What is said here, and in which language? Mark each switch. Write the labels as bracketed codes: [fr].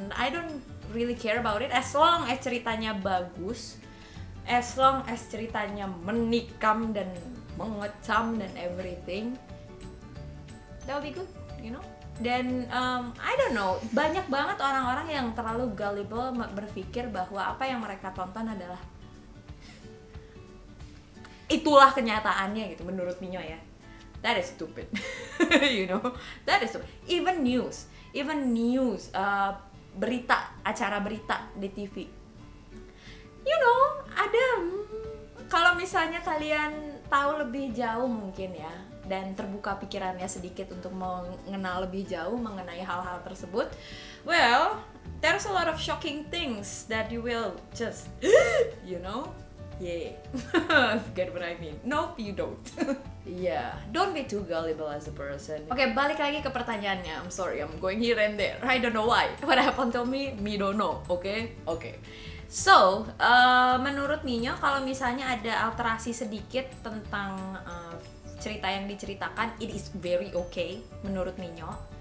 [en] And I don't really care about it as long as [id] ceritanya bagus. [en] As long as [id] ceritanya menikam dan mengecam dan [en] everything, that would be good, you know? [id] Dan [en] I don't know, [id] banyak banget orang-orang yang terlalu gullible berpikir bahwa apa yang mereka tonton adalah itulah kenyataannya gitu, menurut Minyo ya. [en] That is stupid, you know? That is stupid. Even news, [id] berita, acara berita di TV. [en] You know, [id] ada kalau misalnya kalian tahu lebih jauh mungkin ya, dan terbuka pikirannya sedikit untuk mengenal lebih jauh mengenai hal-hal tersebut, [en] well, there's a lot of shocking things that you will just, you know, yeah, forget what I mean. Nope, you don't. Yeah, don't be too gullible as a person. [id] Okay, balik lagi ke pertanyaannya. [en] I'm sorry, I'm going here and there. I don't know why. What happened to me? Me don't know. Okay. [id] So, menurut Minyo, kalau misalnya ada alterasi sedikit tentang cerita yang diceritakan, [en] it is very okay [id] menurut Minyo.